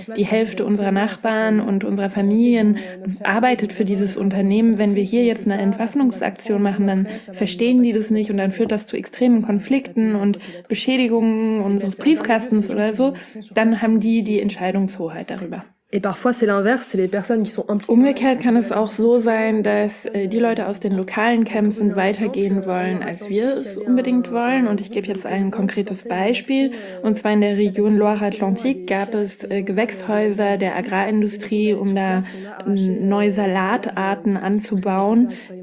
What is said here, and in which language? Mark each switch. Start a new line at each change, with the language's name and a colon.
German: Die Hälfte unserer Nachbarn und unserer Familien arbeitet für dieses Unternehmen. Wenn wir hier jetzt eine Entwaffnungsaktion machen, dann verstehen die das nicht und dann führt das zu extremen Konflikten und Beschädigungen unseres Briefkastens oder so. Dann haben die Entscheidung. Hoheit darüber.
French: Et parfois c'est l'inverse, c'est les personnes qui sont impliquées.
German: Umgekehrt kann es auch so sein, dass die Leute aus den lokalen Camps weitergehen wollen, als wir es unbedingt wollen. Und ich gebe jetzt ein konkretes Beispiel. Und zwar in der Region Loire-Atlantique gab es Gewächshäuser der Agrarindustrie, um da neue Salatarten anzubauen.